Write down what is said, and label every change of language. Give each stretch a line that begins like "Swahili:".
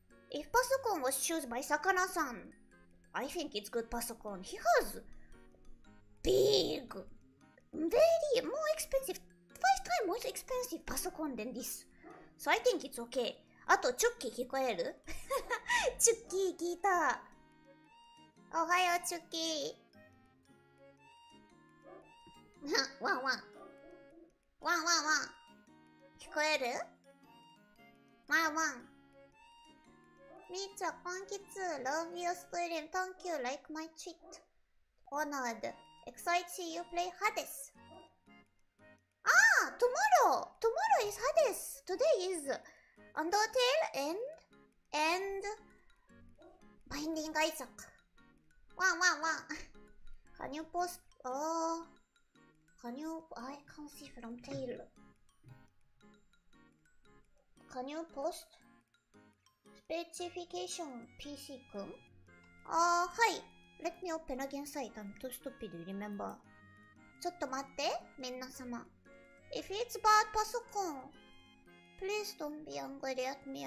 English: If パソコン was chosen by Sakana-san, I think it's good パソコン. He has big, very more expensive, 5 times more expensive パソコン than this. So I think it's okay.
Japanese: あと、チョッキー聞こえる?チョッキー聞いた。おはよう、チョッキー。ワンワン。ワンワンワン聞こえる? ワンワンみーちゃん、こんきつ
English: Love your stream, thank you, like my tweet Honored, excited you play Hades Ah, tomorrow is Hades Today is Undertale and Binding Isaac ワンワンワン Can you post, Can you, I can't see from tail. Can you post? Specification PC-kun? Hi. Let me open again site. I'm too stupid, remember.
Japanese: ちょっと待って、みんな様。
English: If it's bad パソコン, please don't be angry at me.